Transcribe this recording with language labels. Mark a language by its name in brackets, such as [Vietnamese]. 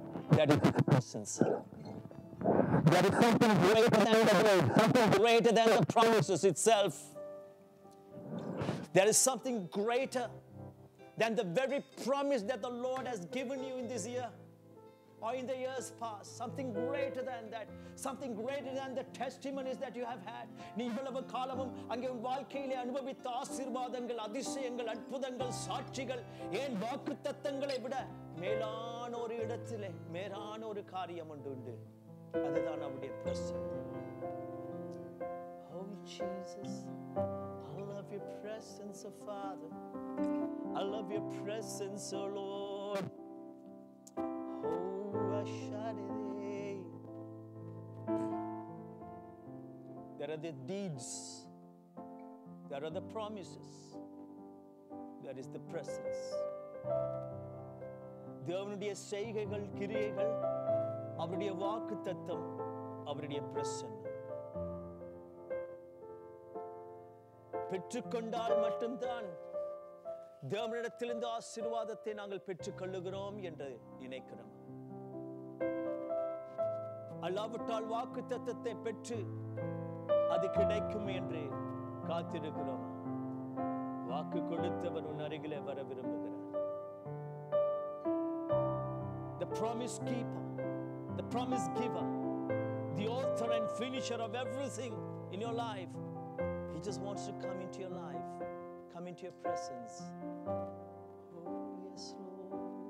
[English] That is His presence. There is something greater than the word, something greater than the promises itself. There is something greater than the very promise that the Lord has given you in this year or in the years past. Something greater than that. Something greater than the testimonies that you have had. [Tamil] நீ இவ்வளவு காலமும் அங்கே உன் வாழ்க்கையிலே அனுபவித்த ஆசீர்வாதங்கள், அதிசயங்கள், அற்புதங்கள், சாட்சிகள், ஏன் வாக்குத்தத்தங்களை விட மேலான ஒரு இடத்திலே மேலான ஒரு காரியம் உண்டு. அதுதான் அவருடைய பிரசன்னம். [English] Oh Jesus, I love your presence, oh Father. I love your presence, oh Lord. Oh, Ashadidei. There are the deeds. There are the promises. There is the presence. [Tamil] தேவனுடைய செய்கைகள், கிரியைகள், அவருடைய வாக்குத்தத்தம், அவருடைய பிரசன்னம். பெற்றுக்கொண்டால் மட்டும்தான் தேவனிடத்திலிருந்து ஆசீர்வாதத்தை நாங்கள் பெற்றுக் கொள்ளுகிறோம் என்று நினைக்கிறோம். அல்லாவிட்டால் வாக்கு தத்தத்தை பெற்று அது கிடைக்கும் என்று காத்திருக்கிறோம். வாக்கு கொடுத்தவர் உன் அருகில வர விரும்புகிறார். [English] The promise keeper, the promise giver, the author and finisher of everything in your life. He just wants to come into your life, come into your presence. Oh, yes, Lord.